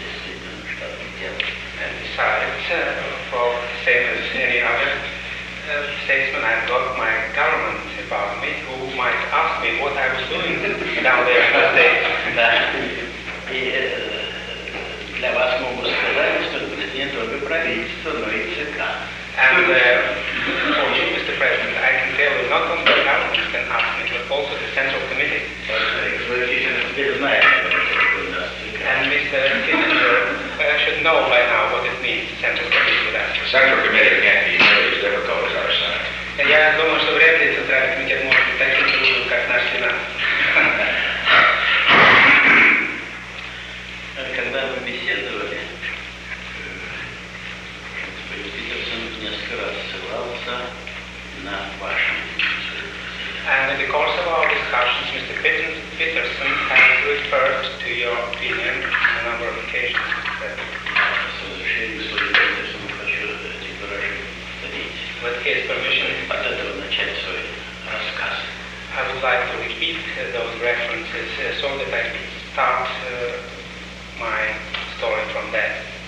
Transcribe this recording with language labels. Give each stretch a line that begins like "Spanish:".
English: And besides, for the same as any other statesman, I've got my government about me who might ask me what I was doing down there in the States.
Russian: Для вас могу сказать, что президент обе правительства, но и ЦК.
English: And for you, Mr. President, I can tell you not only the government can ask me, but also the Central Committee. And Mr. Kissinger should know by now what it means, Central Committee, with us. Central Committee can't be nearly as difficult as our Senate.
Russian: Я думаю, что вряд ли Центральный комитет может быть таким трудным, как наш Сенат. Когда мы беседовали, господин Питерсон несколько раз ссылался на вашу позицию.
English: And in the course of our discussions, Mr. Peterson has referred to your opinion on a number of occasions.
Russian: С разрешением господина Питерсона хочу эти выражения повторить.
English: With his permission,
Russian: от этого начать свой рассказ.
English: I would like to repeat those references so that I can start my story from that.